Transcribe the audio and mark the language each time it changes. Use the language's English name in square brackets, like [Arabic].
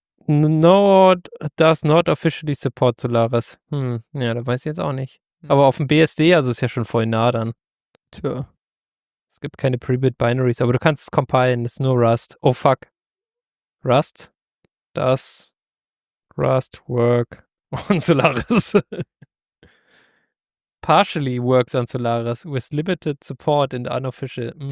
[English] No, does not officially support Solaris. [German] Ja, da weiß ich jetzt auch nicht. Aber auf dem BSD, also ist ja schon voll nah dann. Tja. Es gibt keine Prebit-Binaries, aber du kannst es compilen, das ist nur Rust. [English] Oh, fuck. Rust, does Rust work on Solaris? Partially works on Solaris with limited support and unofficial.